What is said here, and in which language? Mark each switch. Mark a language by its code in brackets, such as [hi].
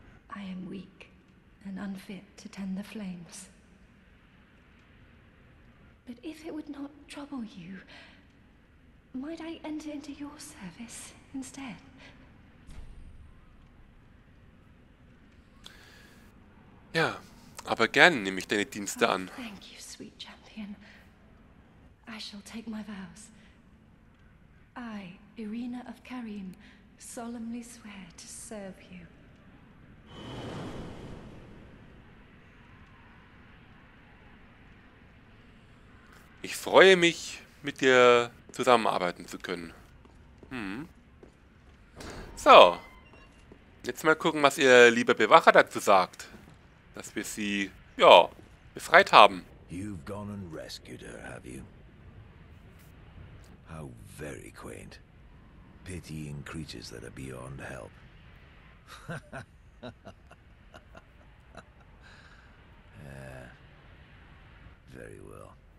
[en] I am weak and unfit to tend the flames. But if it would not trouble you, might I enter into your service instead? [de] Ja, aber gern nehme ich deine Dienste an. [en] Oh, thank you, sweet champion. I shall take my vows. I, Irina of Karim, solemnly swear to serve you. [de] Ich freue mich, mit dir zusammenarbeiten zu können. So. Jetzt mal gucken, was ihr lieber Bewacher dazu sagt. Dass wir sie, ja, befreit haben. [en] You've gone and rescued her, have you? How very quaint. Pitying creatures that are beyond help. Yeah. Very well.